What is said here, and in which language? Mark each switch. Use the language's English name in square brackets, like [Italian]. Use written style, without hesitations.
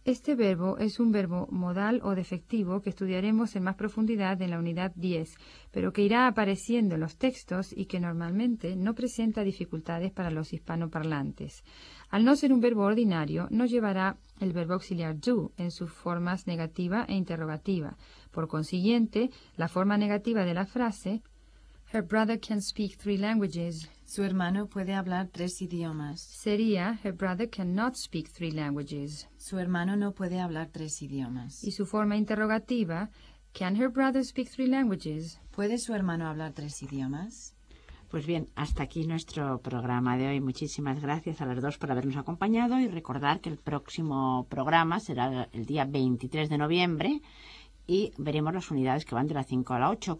[Spanish] Este verbo es un verbo modal o defectivo que estudiaremos en más profundidad en la unidad 10, pero que irá apareciendo en los textos y que normalmente no presenta dificultades para los hispanoparlantes. Al no ser un verbo ordinario, no llevará el verbo auxiliar do en sus formas negativa e interrogativa. Por consiguiente, la forma negativa de la frase, [English] her brother can speak three languages, [Spanish] su hermano puede hablar tres idiomas, [English] sería her brother cannot speak three languages, [Spanish] su hermano no puede hablar tres idiomas. Y su forma interrogativa, [English] can her brother speak three languages, [Spanish] ¿puede su hermano hablar tres idiomas? Pues bien, hasta aquí nuestro programa de hoy. Muchísimas gracias a las dos por habernos acompañado y recordar que el próximo programa será el día 23 de noviembre y veremos las unidades que van de la 5 a la 8.